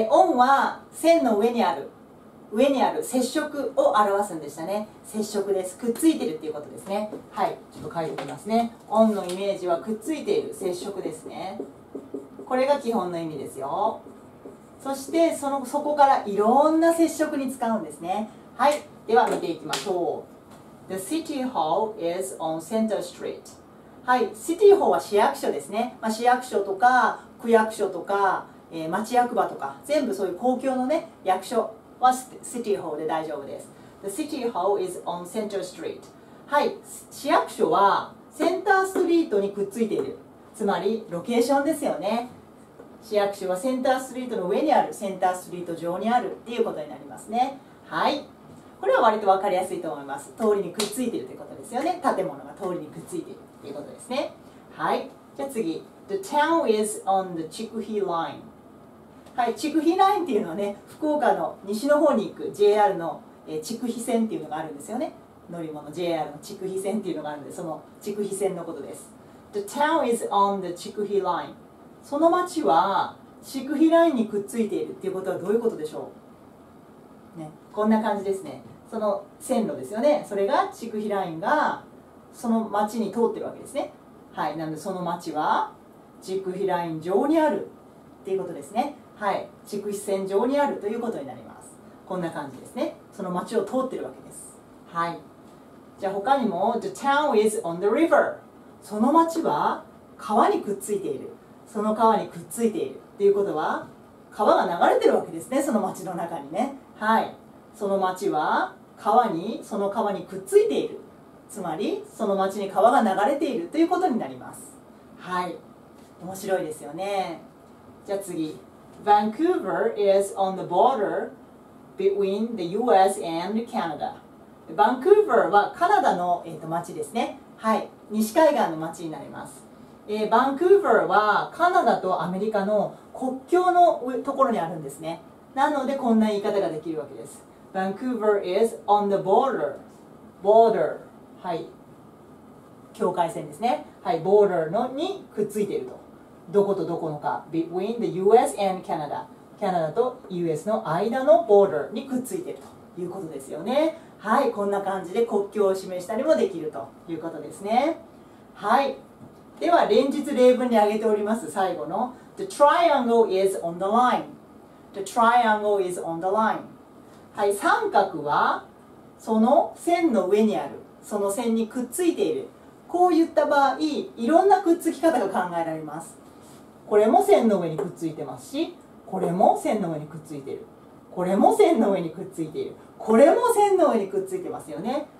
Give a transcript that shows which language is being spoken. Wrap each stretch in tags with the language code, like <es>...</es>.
<ja>オンは線の上にある、上にある接触を表すんでしたね。接触です。くっついてるっていうことですね。はい、ちょっと書いておきますね。オンのイメージはくっついている、接触ですね。これが基本の意味ですよ。そしてそこからいろんな接触に使うんですね。はい、では見ていきましょう。</ja> <en>The city hall is on Center Street.</en> <ja>はい、city hall は市役所ですね。まあ、市役所とか区役所とか、町役場とか、全部そういう公共のね、役所は city hall で大丈夫です。</ja> <en>The city hall is on Center Street.</en> <ja>はい、市役所はセンターストリートにくっついている。つまりロケーションですよね。市役所はセンターストリートの上にある、センターストリート上にあるっていうことになりますね。はい。これは割と分かりやすいと思います。通りにくっついているということですよね。建物が通りにくっついているということですね。はい。じゃあ次。</ja> <en>The town is on the Chikuhi line.</en> <ja>はい。 Chikuhi line っていうのはね、福岡の西の方に行く JR の Chikuhi線っていうのがあるんですよね。乗り物、JR の Chikuhi線っていうのがあるんで、その Chikuhi線のことです。 The town is on the Chikuhi line. その町は Chikuhi line にくっついているっていうことはどういうことでしょう？ね、こんな感じですね。その線路ですよね。それが筑肥ラインがその町に通ってるわけですね。はい、なのでその町は筑肥ライン上にあるっていうことですね。はい、筑肥線上にあるということになります。こんな感じですね。その町を通ってるわけです。はい、じゃあ他にも</ja> <en>The town is on the river.</en> <ja>その町は川にくっついている。その川にくっついているっていうことは川が流れてるわけですね、その町の中にね。はい、その町は川に、その川にくっついている、つまりその町に川が流れているということになります。はい、面白いですよね。じゃあ次。</ja> <en>Vancouver is on the border between the US and Canada.</en> <ja>Vancouver はカナダの、町ですね。はい、西海岸の町になります。 Vancouver はカナダとアメリカの国境のところにあるんですね。なのでこんな言い方ができるわけです。</ja> <en>Vancouver is on the border.</en> <ja>Border. はい。境界線ですね。はい。 Border のにくっついていると。どことどこのか。</ja> <en>Between the US and Canada.</en> <ja>カナダと US の間の border にくっついているということですよね。はい。こんな感じで国境を示したりもできるということですね。はい。では連日例文に挙げております。最後の。</ja> <en>The triangle is on the line. The triangle is on the line.</en> <ja>はい、三角はその線の上にある、その線にくっついている。こういった場合、いろんなくっつき方が考えられます。これも線の上にくっついてますし、これも線の上にくっついている。これも線の上にくっついている。これも線の上にくっついてますよね。</ja>